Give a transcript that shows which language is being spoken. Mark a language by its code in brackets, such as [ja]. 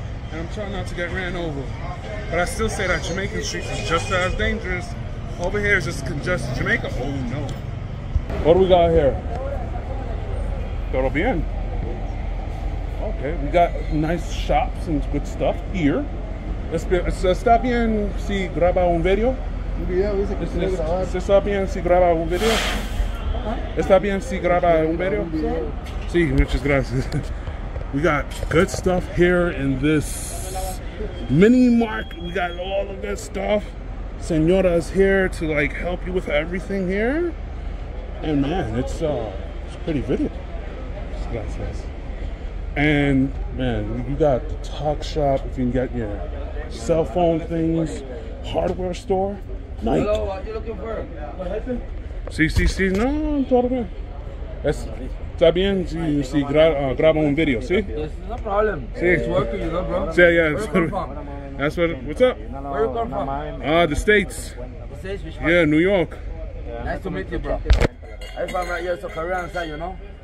[en] And I'm trying not to get ran over. But I still say that Jamaican streets is just as dangerous. Over here is just congested. Jamaica? Oh no. What do we got here? That'll be in. Okay, we got nice shops and good stuff here. [es] Está bien si graba un video? Está bien si graba un video? Está bien si graba un video? Si, muchas gracias. [en] We got good stuff here in this mini mark. We got all of this stuff. Señora's here to like help you with everything here. And man, it's pretty vivid. Gracias. And man, you got the talk shop. If you can get your cell phone things, hardware store. Night. Hello, what are you looking for? What happened? Si. No, I'm talking. [es] Está bien si graba un video, si? [en] This is no problem. [es] Si. [en] It's working, you know, bro. Si, yeah. Where you come from? That's what. What's up? Where you come from? The States. The States, which one? Yeah, New York. Yeah. Nice to meet you, bro. I'm right here, it's a Korean side, you know?